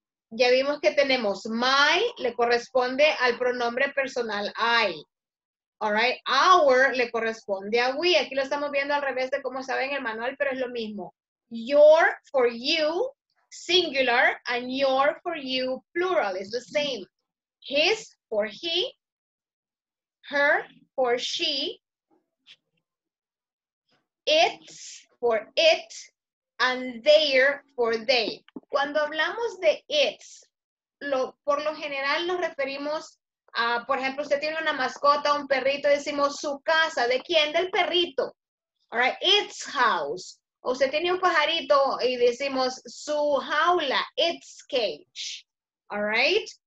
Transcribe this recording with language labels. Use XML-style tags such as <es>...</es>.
<es>Ya vimos que tenemos my, le corresponde al pronombre personal I.</es> <en>All right,</en> <es>our le corresponde a we. Aquí lo estamos viendo al revés de cómo estaba en el manual, pero es lo mismo.</es> <en>Your for you. Singular and your for you, plural, is the same. His for he, her for she, its for it, and their for they.</en> <es>Cuando hablamos de its, por lo general nos referimos a, por ejemplo, usted tiene una mascota, un perrito, decimos su casa, ¿de quién? Del perrito.</es> <en>All right, its house.</en> <es>O usted tiene un pajarito y decimos su jaula,</es> <en>its cage, all right?</en>